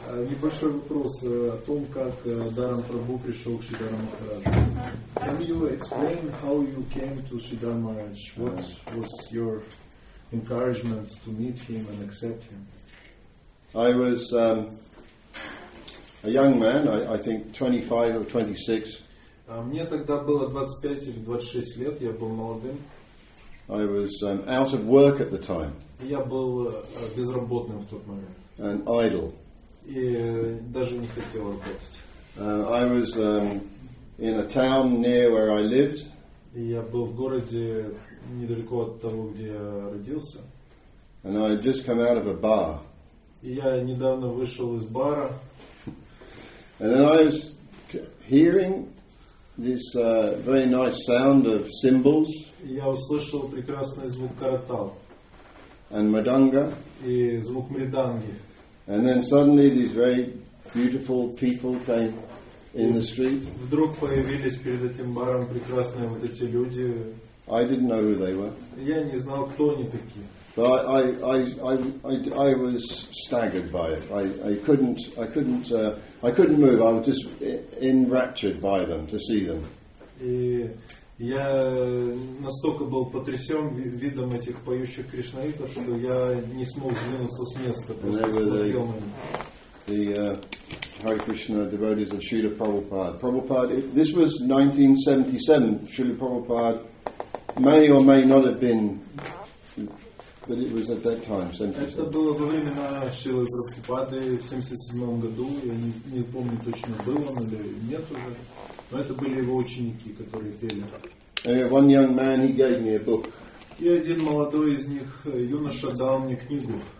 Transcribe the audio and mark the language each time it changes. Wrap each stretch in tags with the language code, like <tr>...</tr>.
<ru>Небольшой вопрос о том, как Даран Прабху пришел к Шридхара Махараджу.</ru> <en>Can you explain how you came to Shridhar Maharaj? What was your encouragement to meet him and accept him? I was a young man, I think 25 or 26.</en> <ru>Мне тогда было 25 или 26 лет, я был молодым.</ru> <en>I was out of work at the time.</en> <ru>Я был безработным в тот момент.</ru> <en>And idle.</en> <ru>И даже не хотел работать.</ru> <en>I was in a town near where I lived.</en> <ru>И я был в городе недалеко от того, где я родился.</ru> <en>And I had just come out of a bar.</en> <ru>И я недавно вышел из бара.</ru> <en>And then I was hearing this very nice sound of cymbals.</en> <ru>Я услышал прекрасный звук каратал.</ru> <en>And мриданга.</en> <ru>И звук мриданги.</ru> <en>And then suddenly these very beautiful people came in the street.</en> <ru>Вдруг появились перед этим баром прекрасные вот эти люди.</ru> <en>I didn't know who they were.</en> <ru>Я не знал, кто они такие.</ru> <en>But I was staggered by it. I couldn't move. I was just enraptured by them to see them.</en> <ru>И я настолько был потрясен видом этих поющих кришнаитов, что я не смог сдвинуться с места, просто смотрел на них.</ru> <en>Hare Krishna devotees of Srila Prabhupada. This was 1977. Srila Prabhupada may or may not have been. But it was at that time, 77.</en> <ru>Это было во времена Шилы Прабхупады в 77 году. Я не помню точно, был он или нет уже. Но это были его ученики, которые пели.</ru> <en>One young man, he gave me a book.</en> <ru>И один молодой из них, юноша, дал мне книгу.</ru>